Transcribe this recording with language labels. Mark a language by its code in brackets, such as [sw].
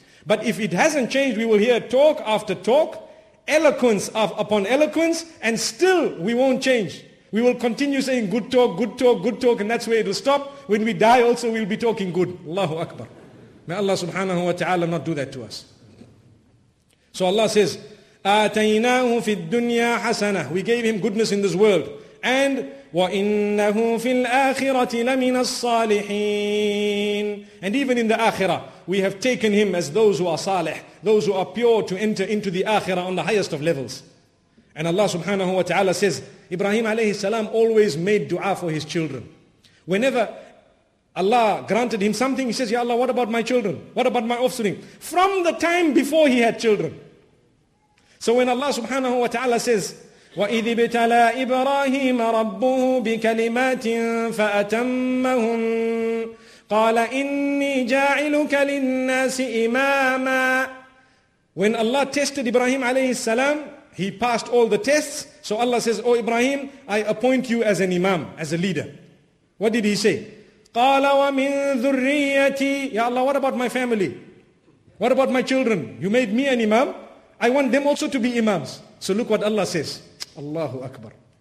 [en] But if it hasn't changed, we will hear talk after talk, eloquence upon eloquence, and still we won't change. We will continue saying good talk, good talk, good talk, and that's where it will stop. When we die also, we'll be talking good. Allahu Akbar. May Allah subhanahu wa ta'ala not do that to us. So Allah says, [ar] آتَيْنَاهُ فِي الدُّنْيَا حَسَنَةً. [en] We gave him goodness in this world. [ar] And وَإِنَّهُ فِي الْآخِرَةِ لَمِنَ الصَّالِحِينَ. [en] And even in the Akhirah, we have taken him as those who are salih, those who are pure to enter into the Akhirah on the highest of levels. And Allah subhanahu wa ta'ala says, Ibrahim alayhi salam always made dua for his children. Whenever Allah granted him something, he says, Ya Allah, what about my children? What about my offspring? From the time before he had children. So when Allah subhanahu wa ta'ala says, [ar] وَإِذِ بِتَلَىٰ إِبْرَاهِيمَ رَبُّهُ بِكَلِمَاتٍ فَأَتَمَّهُمْ قَالَ إِنِّي جَاعِلُكَ لِلنَّاسِ إِمَامًا. [en] When Allah tested Ibrahim alayhi salam, he passed all the tests. So Allah says, oh Ibrahim, I appoint you as an imam, as a leader. What did he say? [ar] قَالَ وَمِن ذُرِّيَّتِي. [en] Ya Allah, what about my family? What about my children? You made me an imam. I want them also to be imams. So look what Allah says. Allahu Akbar.